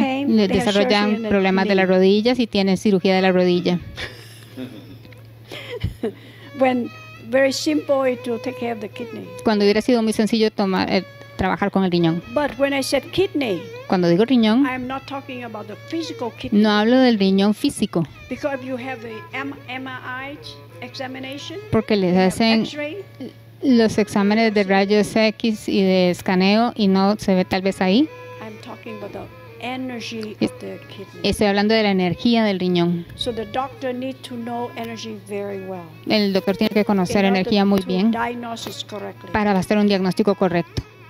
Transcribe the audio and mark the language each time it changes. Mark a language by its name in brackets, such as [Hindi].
[Spanish] Desarrollan problemas de las rodillas y tienen cirugía de la rodilla. [English] When very simple it will take care of the kidney. [Spanish] Cuando hubiera sido muy sencillo trabajar con el riñón. [English] But when I said kidney, [Spanish] cuando digo riñón, [English] I am not talking about the physical kidney. [Spanish] No hablo del riñón físico. [English] Because if you have the MRI examination, [Spanish] porque les hacen X-ray, los exámenes de rayos X y de escaneo y no se ve tal vez ahí. [English] I'm talking about the energy of the kidney. [Spanish] Estoy hablando de la energía del riñón. [English] So the doctor need to know energy very well. [Spanish] El doctor tiene que conocer energía muy bien para hacer un diagnóstico correcto.